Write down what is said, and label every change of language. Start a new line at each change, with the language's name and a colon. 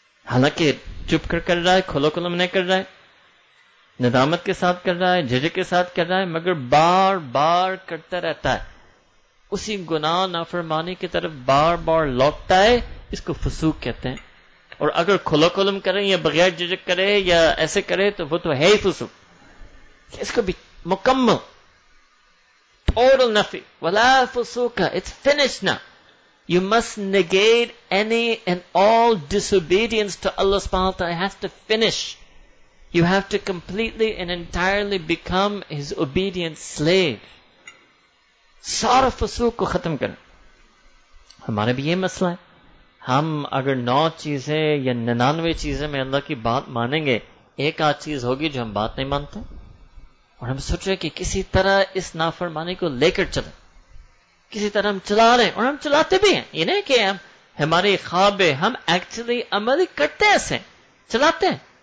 Urdu: حالانکہ چپ کر رہا ہے، کھلو کھلو نہیں کر رہا ہے، ندامت کے ساتھ کر رہا ہے، جھجک کے ساتھ کر رہا ہے، مگر بار بار کرتا رہتا ہے، اسی گناہ نافرمانی کی طرف بار بار لوٹتا ہے، اس کو فسوق کہتے ہیں. اور اگر کھلو کھلم کرے یا بغیر جھجک کرے یا ایسے کرے تو وہ تو ہے ہی فسوق. اس کو بھی مکمل ٹوٹل نفی، ولا فسوق،
English: It's finished now. You must negate any and all disobedience to Allah subhanahu wa ta'ala. It has to finish. You have to completely and entirely become His obedient slave.
Urdu: سارا فسوق کو ختم کریں. ہمارا بھی یہ مسئلہ ہے، ہم اگر 9 چیزیں یا 99 چیزیں میں اللہ کی بات مانیں گے، ایک آدھ چیز ہوگی جو ہم بات نہیں مانتے، اور ہم سوچ رہے کہ کسی طرح اس نافرمانی کو لے کر چلیں، کسی طرح ہم چلا رہے ہیں، اور ہم چلاتے بھی ہیں، یہ نہیں کہ ہم ہمارے خواب ہے، ہم ایکچولی عمل کرتے ہیں، ایسے چلاتے ہیں.